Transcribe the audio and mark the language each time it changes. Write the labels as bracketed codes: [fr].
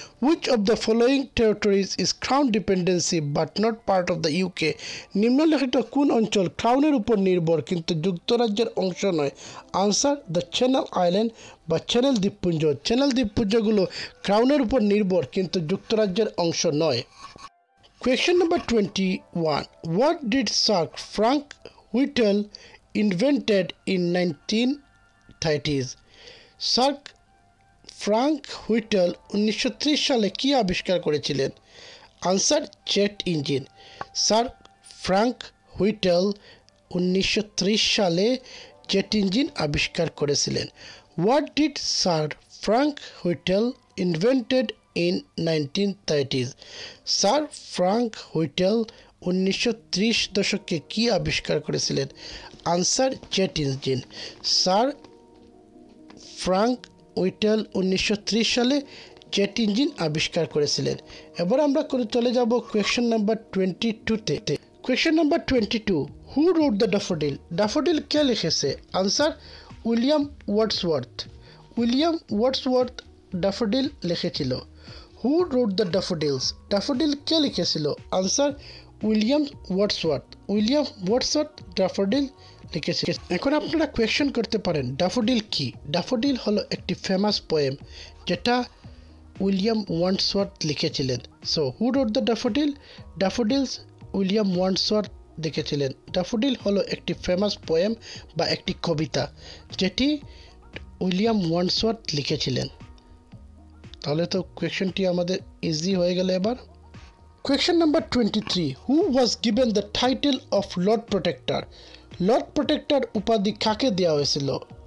[en] Which of the following territories is crown dependency but not part of the UK. [bn] নিম্নলিখিত কোন অঞ্চল ক্রাউনের উপর নির্ভর কিন্তু যুক্তরাজ্যের অংশ নয়? আনসার দ্য চ্যানেল আইল্যান্ড বা চ্যানেল দ্বীপপুঞ্জ। চ্যানেল দ্বীপপুঞ্জগুলো ক্রাউনের উপর নির্ভর কিন্তু যুক্তরাজ্যের অংশ নয়। [en] Question number 21. What did Sir Frank Whittle invented in 1930s? [bn] Sir Frank Whittle 1930 সালে কি আবিষ্কার করেছিলেন? [en] Answer: jet engine. [bn] Sir Frank Whittle 1930 সালে jet engine আবিষ্কার করেছিলেন. [en] What did Sir Frank Whittle invented in 1930s? [bn] Sir Frank Whittle 1930 দশকে কি আবিষ্কার করেছিলেন? [en] Answer: jet engine. [bn] Sir Frank Whittle 1930 সালে jet engine আবিষ্কার করেছিলেন। এবার আমরা করে চলে যাব [en] question number 22 [bn] তে। [en] Question number 22. Who wrote the daffodil? [bn] Daffodil কে লিখেছে? [en] Answer: William Wordsworth. [bn] William Wordsworth daffodil লিখেছিল। [en] Who wrote the daffodils? [bn] Daffodil কে লিখেছিল? [en] Answer: William Wordsworth. [bn] William Wordsworth daffodil লিখেছিল। এখন আপনারা question করতে পারেন, daffodil কি? Daffodil হলো একটি [en] famous poem [bn] যেটা William Wordsworth লিখেছিলেন। [en] So who wrote the daffodil? [bn] Daffodils William Wordsworth লিখেছিলেন। Daffodil হলো একটি [en] famous poem [bn] বা একটি কবিতা যেটি William Wordsworth লিখেছিলেন। তাহলে তো কোয়েশনটি আমাদের ইজি হয়ে গেল। এবার question number 23। [en] Who was given the title of lord protector? [bn] Lord protector উপাধি কাকে দেওয়া হয়েছিল?